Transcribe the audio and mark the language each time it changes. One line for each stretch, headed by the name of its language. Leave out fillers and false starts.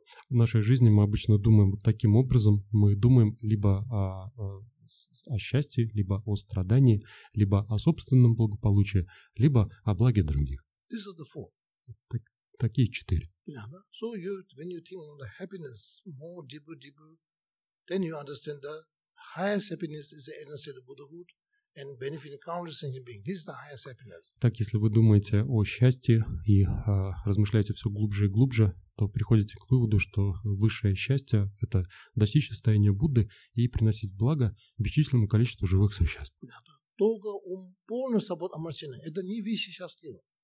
Russian: В нашей жизни мы обычно думаем вот таким образом. Мы думаем либо о счастье, либо о страдании, либо о собственном благополучии, либо о благе других.
English: This is the four.
Russian: Такие четыре.
English: Yeah, no? So you, when you think on the happiness more deeper, then you understand the highest happiness is the essence of the Buddhahood. And benefiting countless sentient beings. This is the highest happiness.
Russian: Так, если вы думаете о счастье и размышляете все глубже и глубже, то приходите к выводу, что высшее счастье – это достичь состояния Будды и приносить благо бесчисленному количеству живых существ. только ум полностью будет омрачен. Это не вещи счастливы.